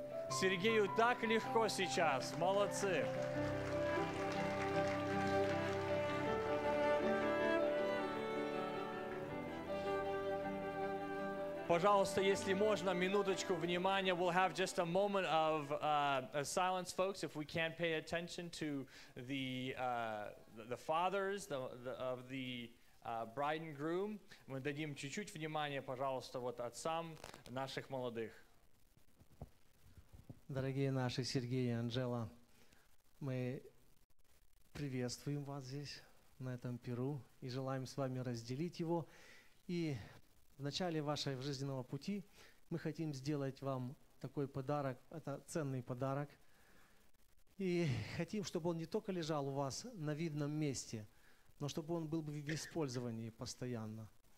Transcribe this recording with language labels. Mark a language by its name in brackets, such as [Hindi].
[Russian] Сергею так легко сейчас. Молодцы. Пожалуйста, если можно, минуточку внимания. [English] We'll have just a moment of silence, folks. If we can't pay attention to the fathers, the bride and groom, [Russian] мы дадим чуть-чуть внимания, пожалуйста, вот отцам наших молодых. Дорогие наши Сергей и Анжела, мы приветствуем вас здесь, на этом пиру, и желаем с вами разделить его. И в начале вашего жизненного пути мы хотим сделать вам такой подарок, это ценный подарок, и хотим, чтобы он не только лежал у вас на видном месте, но чтобы он был в использовании постоянно.